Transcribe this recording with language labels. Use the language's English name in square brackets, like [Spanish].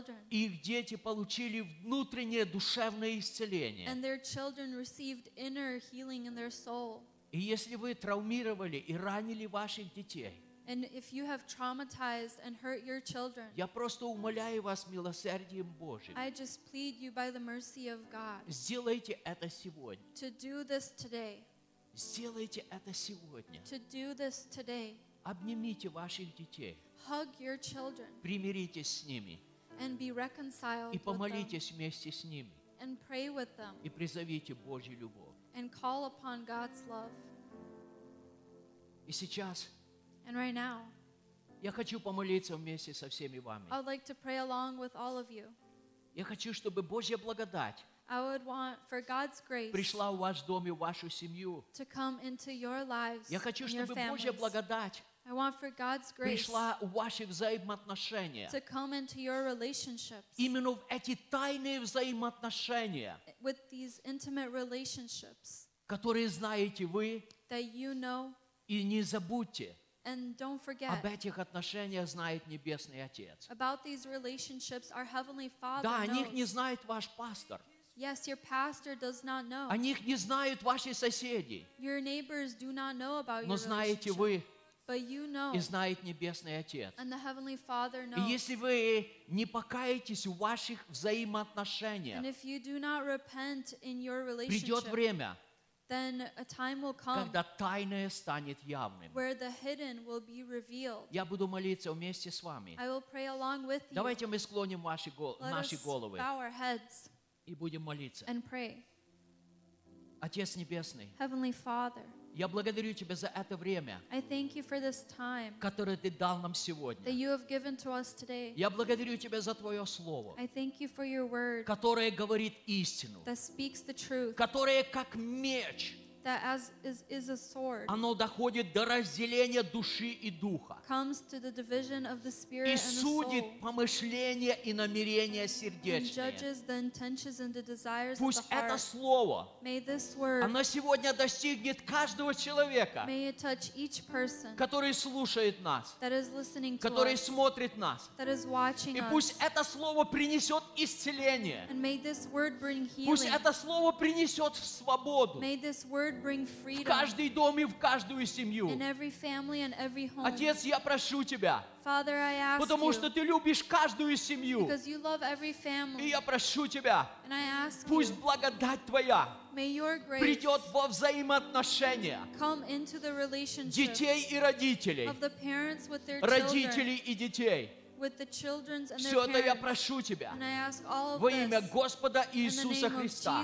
[Russian] Их дети получили внутреннее душевное исцеление. [English] In [Russian] и если вы травмировали и ранили ваших детей, [English] and if you have traumatized and hurt your children, [Russian] я просто умоляю вас милосердием Божьим. [English] I just plead you by the mercy of God. [Russian] Сделайте это сегодня. [English] To do this today. [Russian] Сделайте это сегодня. [English] To do this today. [Russian] Обнимите ваших детей. [English] Hug your children. [Russian] Примиритесь с ними. [English] And be reconciled. [Russian] И помолитесь вместе с ними. [English] And pray with them. [Russian] И призовите Божью любовь. [English] And call upon God's love. [Russian] И сейчас. [English] And right now, [Russian] я хочу помолиться вместе со всеми вами. [English] I would like to pray along with all of you. [Russian] Я хочу, чтобы Божья благодать, [English] I would want for God's grace, [Russian] пришла в ваш дом и в вашу семью. [English] To come into your lives, [Russian] я хочу, чтобы Божья благодать, [English] I want for God's grace, [Russian] пришла в ваши взаимоотношения. [English] To come into your relationships, [Russian] именно в эти тайные взаимоотношения, [English] with these intimate relationships, [Russian] которые знаете вы, [English] that you know, [Russian] и не забудьте. [English] And don't forget, [Russian] об этих отношениях знает Небесный Отец. [English] About these relationships, our Heavenly Father [Russian] да, о них [English] knows. [Russian] Не знает ваш пастор. [English] Yes, your pastor does not know. [Russian] О них не знают ваши соседи. [English] Your neighbors do not know about [Russian] но [English] your [Russian] знаете вы [English] but you know, [Russian] и знает Небесный Отец. [English] And the Heavenly Father knows. [Russian] И если вы не покаетесь в ваших взаимоотношениях, [English] and if you do not repent in your relationship, [Russian] придет время, [English] then a time will come [Russian] когда тайное станет явным. [English] Where the hidden will be revealed. [Russian] Я буду молиться вместе с вами. [English] I will pray along with you. [Russian] Давайте мы склоним ваши наши головы. [English] Let us bow our heads. [Russian] И будем молиться. [English] And pray. [Russian] Отец Небесный. [English] Heavenly Father. [Russian] Я благодарю Тебя за это время, [English] I thank you for this time, [Russian] которое Ты дал нам сегодня. [English] That you have given to us today. [Russian] Я благодарю Тебя за Твое Слово, [English] I thank you for your word, [Russian] которое говорит истину, [English] that speaks the truth, [Russian] которое как меч, [English] that as is a sword, [Russian] оно доходит до разделения души и духа, [English] comes to the division of the spirit [Russian] и судит [English] and the soul, [Russian] помышления и намерения сердечные. [English] And judges the intentions and the desires [Russian] пусть [English] of the heart. [Russian] Это слово, [English] may this word, [Russian] оно сегодня достигнет каждого человека, [English] may it touch each person, [Russian] который слушает нас, [English] that is listening to [Russian] который [English] us, [Russian] смотрит нас, [English] that is watching [Russian] и пусть [English] us, [Russian] это слово принесет исцеление, [English] and may this word bring healing, [Russian] пусть это слово принесет свободу, [English] may this word bring freedom, [Russian] в каждый дом и в каждую семью. [English] In every family and every home. [Russian] Отец, я прошу Тебя, [English] Father, I ask [Russian] потому [English] you, [Russian] что Ты любишь каждую семью. [English] Because you love every family. [Russian] И я прошу Тебя, [English] and I ask [Russian] пусть [English] you, [Russian] благодать Твоя [English] may your grace [Russian] придет во взаимоотношения [English] come into the relationships [Russian] детей и родителей, [English] of the parents with their [Russian] родителей [English] children, [Russian] и детей, [English] with the children's and their parents. [Russian] Все это я прошу тебя. [English] And I ask all of this [Russian] во имя Господа Иисуса Христа.